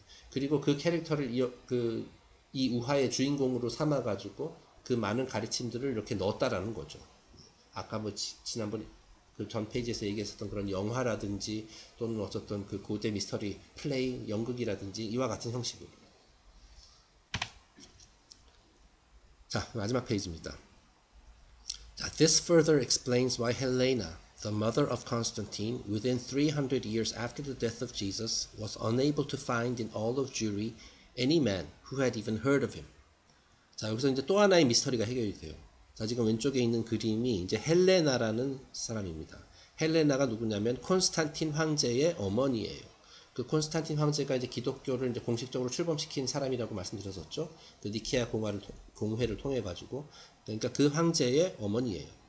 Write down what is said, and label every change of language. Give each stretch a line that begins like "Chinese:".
Korean: 그리고 그 캐릭터를 이 우화의 주인공으로 삼아가지고 그 많은 가르침들을 이렇게 넣었다라는 거죠. 아까 뭐 지난번에 그전 페이지에서 얘기했었던 그런 영화라든지 또는 어쨌든 그 고대 미스터리 플레이 연극이라든지 이와 같은 형식으로. 자, 마지막 페이지입니다.
English: This further explains why Helena, the mother of Constantine, within 300 years after the death of Jesus, was unable to find in all of Jewry any man who had even heard of him.
Korean: 자, 여기서 이제 또 하나의 미스터리가 해결이 돼요. 자, 지금 왼쪽에 있는 그림이 이제 헬레나라는 사람입니다. 헬레나가 누구냐면 콘스탄틴 황제의 어머니예요. 그 콘스탄틴 황제가 이제 기독교를 이제 공식적으로 출범시킨 사람이라고 말씀드렸었죠. 그 니케아 공회를 통해 가지고. 그러니까 그 황제의 어머니예요.